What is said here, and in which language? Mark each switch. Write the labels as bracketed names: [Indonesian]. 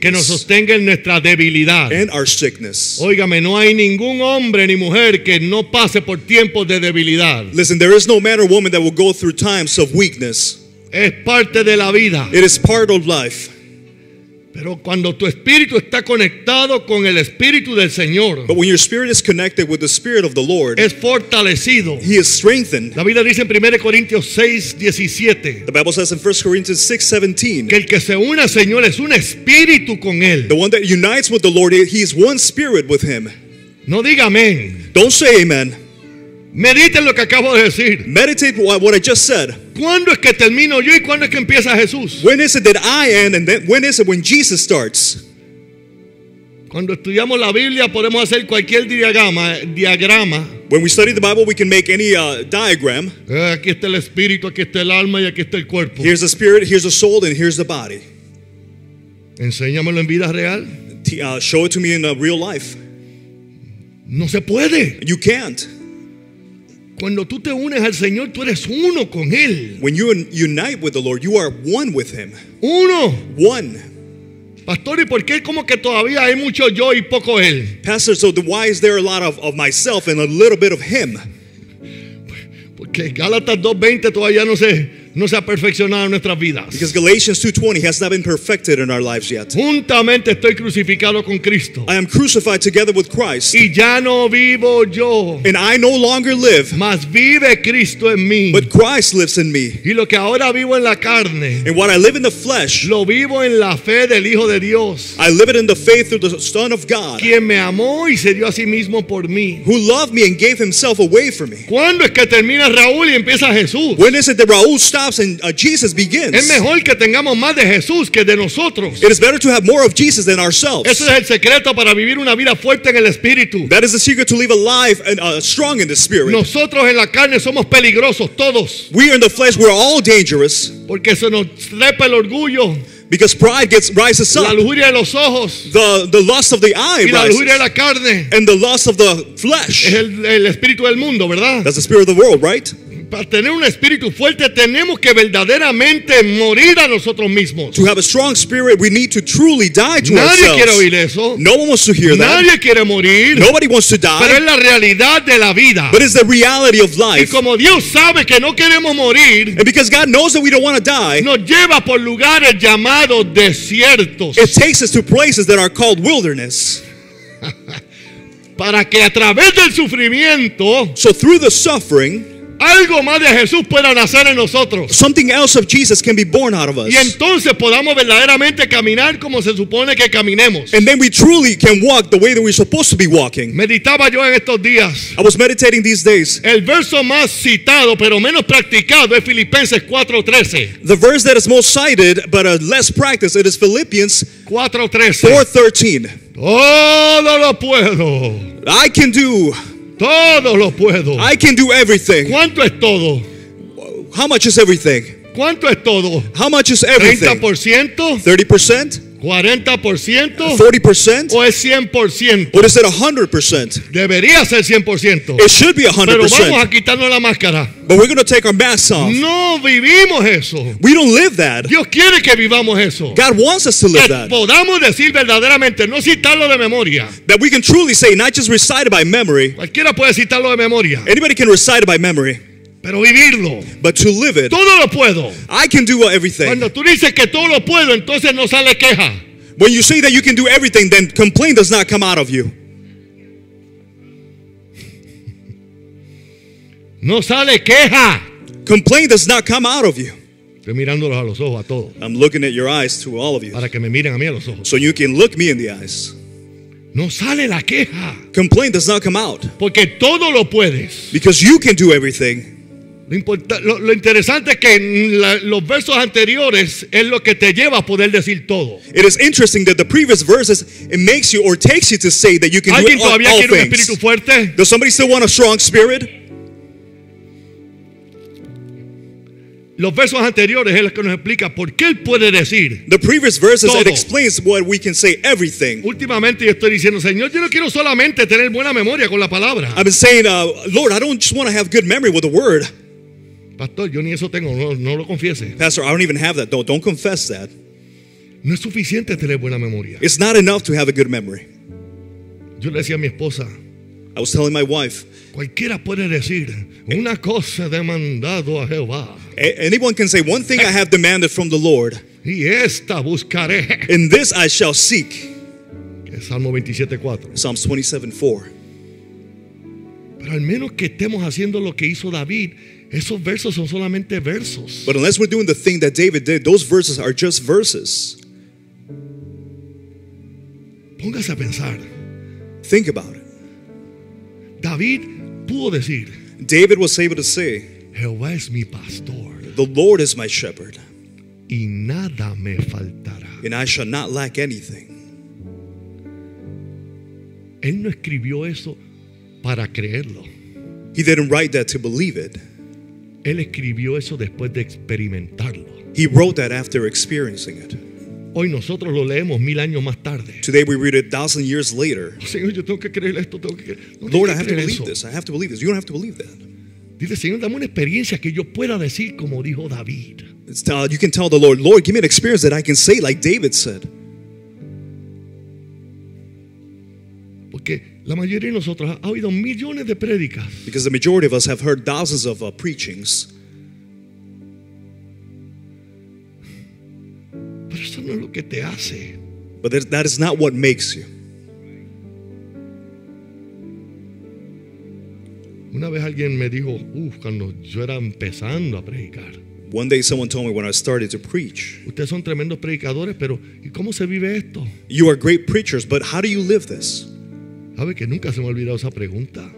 [Spanish] Que nos sostenga en nuestra debilidad. [English] And our sickness. [Spanish] Óigame, no hay ningún hombre ni mujer que no pase por tiempos de debilidad. [English] Listen, there is no man or woman that will go through times of weakness. [Spanish] Es parte de la vida. [English] It is part of life. [Spanish] Pero cuando tu espíritu está conectado con el espíritu del Señor, [English] but when your spirit is connected with the spirit of the Lord, [Spanish] es fortalecido. [English] He is strengthened. [Spanish] La Biblia dice en 1 Corintios 6:17. [English] The Bible says in 1 Corinthians 6:17. [Spanish] Que el que se une al Señor es un espíritu con él. [English] The one that unites with the Lord, he is one spirit with him. [Spanish] No diga amén. [English] Don't say amen. [Spanish] Medite lo que acabo de decir. [English] Meditate what I just said. [Spanish] ¿Cuándo es que termino yo y cuándo es que empieza Jesús? [English] When is it that I end and then when is it when Jesus starts? [Spanish] Cuando estudiamos la Biblia podemos hacer cualquier diagrama. [English] When we study the Bible we can make any diagram. [Spanish] Aquí está el espíritu, aquí está el alma y aquí está el cuerpo. [English] Here's the spirit, here's the soul and here's the body. [Spanish] Enséñamelo en vida real. [English] Show it to me in real life. [Spanish] No se puede. [English] You can't. [Spanish] Cuando tú te unes al Señor, tú eres uno con él. [English] When you unite with the Lord, you are one with him. [Spanish] Uno. [English] One. [Spanish] Pastor, ¿y por qué como que todavía hay mucho yo y poco él? [English] Pastor, so why is there a lot of myself and a little bit of him? [Spanish] Porque Gálatas 2:20 todavía no se ha perfeccionado en nuestras vidas. [English] Because Galatians 2:20 has not been perfected in our lives yet. [Spanish] Juntamente estoy crucificado con Cristo. [English] I am crucified together with Christ. [Spanish] Y ya no vivo yo. [English] And I no longer live. [Spanish] Mas vive Cristo en mí. [English] But Christ lives in me. [Spanish] Y lo que ahora vivo en la carne. [English] And what I live in the flesh. [Spanish] Lo vivo en la fe del Hijo de Dios. [English] I live it in the faith of the Son of God. [Spanish] Quien me amó y se dio a sí mismo por mí. [English] Who loved me and gave himself away for me. [Spanish] ¿Cuándo es que termina Raúl y empieza Jesús? [English] When is it that Raúl stops? And Jesus begins. [Spanish] Es mejor que tengamos más de Jesús que de nosotros. [English] It is better to have more of Jesus than ourselves. [Spanish] Ese es el secreto para vivir una vida fuerte en el espíritu. [English] That is the secret to live alive and strong in the spirit. [Spanish] Nosotros en la carne somos peligrosos todos. [English] We are in the flesh, we are all dangerous. [Spanish] Porque se nos trepa el orgullo. [English] Because pride rises up. [Spanish] La lujuria de los ojos. [English] The lust of the eye [Spanish] y la [English] rises. [Spanish] Lujuria de la carne. [English] And the lust of the flesh. [Spanish] Es el espíritu del mundo, ¿verdad? [English] That's the spirit of the world, right? [Spanish] Para tener un espíritu fuerte tenemos que verdaderamente morir a nosotros mismos. [English] To have a strong spirit we need to truly die to [Spanish] nadie Nadie quiere oír eso. [English] No one wants to hear [Spanish] nadie [English] that. [Spanish] Nadie quiere morir. [English] Nobody wants to die. [Spanish] Pero es la realidad de la vida. [English] But it's the reality of life. [Spanish] Y como Dios sabe que no queremos morir, [English] and because God knows that we don't want to die, [Spanish] nos lleva por lugares llamados desiertos. [English] It takes us to places that are called wilderness. [Spanish] para que a través del sufrimiento, [English] so through the suffering, [Spanish] algo más de Jesús pueda nacer en nosotros. [English] Something else of Jesus can be born out of us. [Spanish] Y entonces podamos verdaderamente caminar como se supone que caminemos. [English] And then we truly can walk the way that we're supposed to be walking. [Spanish] Meditaba yo en estos días. [English] I was meditating these days. [Spanish] El verso más citado, pero menos practicado, es Filipenses 4:13. [English] The verse that is most cited but less practiced, it is Philippians 4:13. [Spanish] Todo lo puedo. [English] I can do. [Spanish] Todo lo puedo. [English] I can do everything. [Spanish] ¿Cuánto es todo? [English] How much is everything? [Spanish] ¿Cuánto es todo? [English] How much is everything? [Spanish] 30%? [English] 30%? [Spanish] 40%? [English] 40%? [Spanish] ¿O es 100%? [English] Or is it 100%? [Spanish] Debería ser 100%. [English] It should be 100%. [Spanish] Pero vamos a quitarnos la máscara. [English] But we're going to take our masks off. [Spanish] No vivimos eso. [English] We don't live that. [Spanish] Dios quiere que vivamos eso. [English] God wants us to live [Spanish] que [English] that. [Spanish] Podamos decir verdaderamente, no citarlo de memoria. [English] That we can truly say, not just recite it by memory. [Spanish] Cualquiera puede citarlo de memoria. [English] Anybody can recite it by memory. [Spanish] Pero vivirlo. [English] But to live it. [Spanish] Todo lo puedo. [English] I can do everything. [Spanish] Cuando tú dices que todo lo puedo, entonces no sale queja. [English] When you say that you can do everything, then complaint does not come out of you. [Spanish] No sale queja. [English] Complaint does not come out of you. [Spanish] Estoy mirándolos a los ojos a todos. [English] I'm looking at your eyes to all of you. [Spanish] Para que me miren a mí a los ojos. [English] So you can look me in the eyes. [Spanish] No sale la queja. [English] Complaint does not come out. [Spanish] Porque todo lo puedes. [English] Because you can do everything. [Spanish] Lo interesante es que los versos anteriores es lo que te lleva a poder decir todo. [English] It is interesting that the previous verses it makes you or takes you to say that you can do all things. [Spanish] ¿Alguien todavía quiere un espíritu fuerte? [English] Does somebody still want a strong spirit? [Spanish] Los versos anteriores es lo que nos explica por qué él puede decir. [English] The previous verses todo. It explains what we can say everything. [Spanish] Últimamente yo estoy diciendo, Señor, yo no quiero solamente tener buena memoria con la palabra. [English] I've been saying, Lord, I don't just want to have good memory with the word. [Spanish] Pastor, yo ni eso tengo, no lo confiese. [English] Pastor, I don't even have that. Don't confess that. [Spanish] No es suficiente tener buena memoria. [English] It's not enough to have a good memory. [Spanish] Yo le decía a mi esposa. [English] I was telling my wife. [Spanish] Cualquiera puede decir una cosa demandado a Jehová. [English] Anyone can say one thing I have demanded from the Lord. [Spanish] Y esta buscaré. [English] And this I shall seek. [Spanish] Salmo 27:4. [English] Psalms 27:4. [Spanish] Pero al menos que estemos haciendo lo que hizo David. Esos versos son solamente versos. [English] But unless we're doing the thing that David did, those verses are just verses. [Spanish] Póngase a pensar. [English] Think about it. [Spanish] David pudo decir, [English] David was able to say, [Spanish] Jehová es mi pastor. [English] The Lord is my shepherd. [Spanish] Y nada me faltará. [English] And I shall not lack anything. [Spanish] Él no escribió eso para creerlo. [English] He didn't write that to believe it. [Spanish] Él escribió eso después de experimentarlo. [English] He wrote that after experiencing it. [Spanish] Hoy nosotros lo leemos mil años más tarde. [English] Today we read it 1,000 years later. [Spanish] Señor, yo tengo que creer esto. Tengo que creer. [English] Lord, I have to believe this. I have to believe this. You don't have to believe that. [Spanish] Dile, Señor, dame una experiencia que yo pueda decir como dijo David. [English] You can tell the Lord, Lord, give me an experience that I can say like David said. [Spanish] Porque la mayoría de nosotros ha oído millones de prédicas. [English] Because the majority of us have heard thousands of preachings. [Spanish] Pero eso no es lo que te hace. [English] But that is not what makes you. [Spanish] Una vez alguien me dijo, cuando yo era empezando a predicar. [English] One day someone told me when I started to preach. [Spanish] Ustedes son tremendos predicadores, pero ¿y cómo se vive esto? [English] You are great preachers, but how do you live this? [Spanish] ¿Sabe que nunca se me ha olvidado esa pregunta?